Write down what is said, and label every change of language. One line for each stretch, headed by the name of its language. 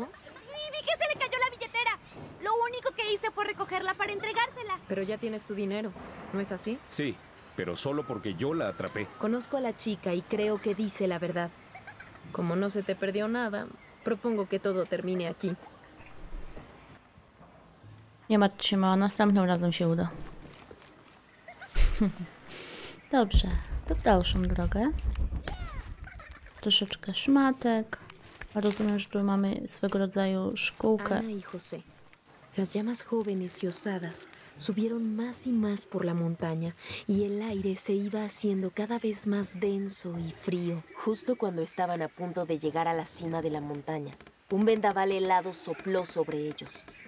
Spanish: Mimi, que se le cayó la billetera. Lo único que hice fue recogerla para entregársela. Pero ya tienes tu dinero, ¿no es así? Sí, pero solo porque yo la atrapé. Conozco a la chica y creo que dice la verdad. Como no se te perdió nada, propongo que todo termine aquí.
Polish: Nie martw się, ma, następnym razem się uda. Dobrze, to w dalszą drogę. Troszeczkę szmatek. Rozumiem, że tu mamy swego rodzaju szkółkę. Ana i José.
Spanish: Las llamas jóvenes y osadas subieron más y más por la montaña y el aire se iba haciendo cada vez más denso y frío. Justo cuando estaban a punto de llegar a la cima de la montaña, un vendaval helado sopló sobre ellos.